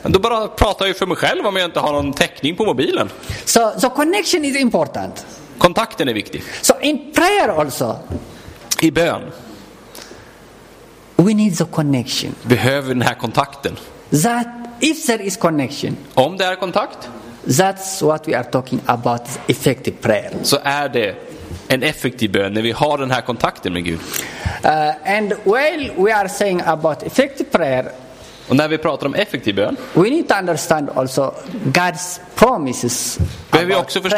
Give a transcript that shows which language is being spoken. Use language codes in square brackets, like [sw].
[sv] Då bara pratar jag för mig själv om jag inte har någon täckning på mobilen. [en] So connection is important. [sv] Kontakten är viktig. [en] So in prayer also. [sv] I bön. [en] We need the connection. [sv] Behöver den här kontakten. [en] That if there is connection. [sv] Om det är kontakt. [en] That's what we are talking about, effective prayer. [sv] Så är det en effektiv bön när vi har den här kontakten med Gud. [en] And while we are saying about effective prayer, [sv] och när vi pratar om effektiv bön, [en] we need to understand also God's promises. [sv] Behöver vi också förstå